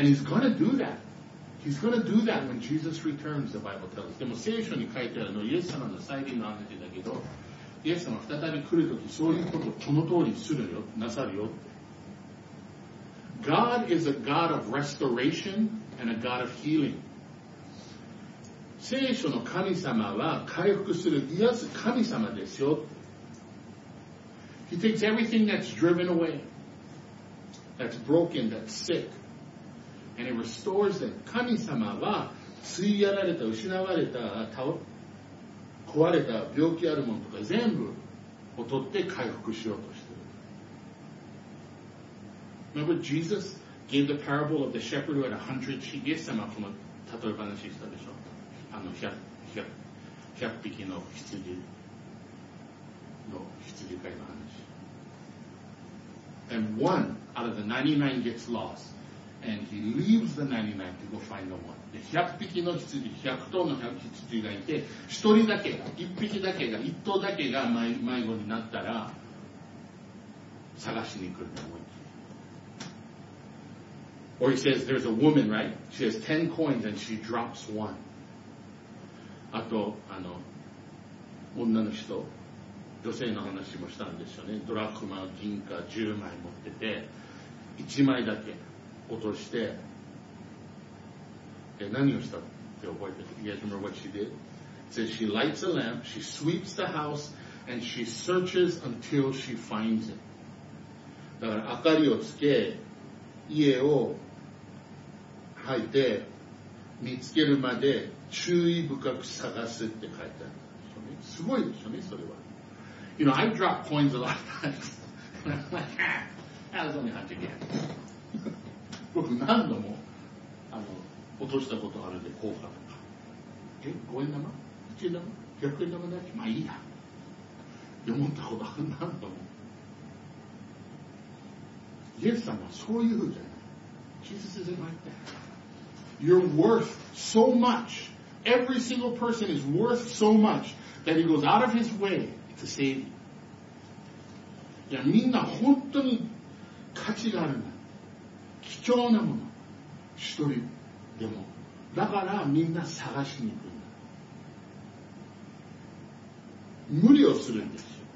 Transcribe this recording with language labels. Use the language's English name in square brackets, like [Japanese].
[English] And he's gonna do that. He's gonna do that when Jesus returns, the Bible tells us. [Japanese] でも聖書に書いてあるのはイエス様の再臨の話だけど、イエス様再び来るとき、そういうことをこの通りするよ、なさるよって。 [English] God is a God of restoration and a God of healing. [Japanese] 聖書の神様は回復する癒す神様ですよ。 [English] He takes everything that's driven away, that's broken, that's sick, and he restores them. [Japanese] 神様は吸いやられた、失われた、壊れた、病気あるものとか全部を取って回復しようとしている。 [English] Remember Jesus gave the parable of the shepherd who had 100 sheep? [Japanese] イエス様はこの例え話したでしょ。あの 100匹の羊飼いの話。 [English] And one out of the 99 gets lost. And he leaves the 99 to go find the one. [Japanese] で、100匹の羊、100頭の羊がいて、一人だけが、一匹だけが、一頭だけが迷子になったら、探しに来るんだ、もう一回。 [English] Or he says, there's a woman, right? She has 10 coins and she drops one. [Japanese] あと、あの、女の人、女性の話もしたんですよね。ドラクマ、銀貨10枚持ってて、1枚だけ落として、何をしたって覚えてる。 [English] You guys remember what she did? It says she lights a lamp, she sweeps the house, and she searches until she finds it. [Japanese] だから、明かりをつけ、家を履いて、見つけるまで、注意深く探すって書いてあるんですよね。すごいですよね、それは。 [English] You know, I drop coins a lot of times. And I'm like, ah, that was only 100 yen. [Japanese] 僕何度も、落としたことあるんで、硬貨とか。え ?5 円玉 ?1 円玉 ?100 円玉だし、まあいいや。思ったことある、何度も。イエス様はそういうじゃない。 [English] Jesus isn't like that. You're worth so much. Every single person is worth so much that he goes out of his way to save you. [Japanese] いや、みんな本当に価値があるんだ。貴重なもの。一人でもだからみんな探しに行くんだ。無理をするんですよ。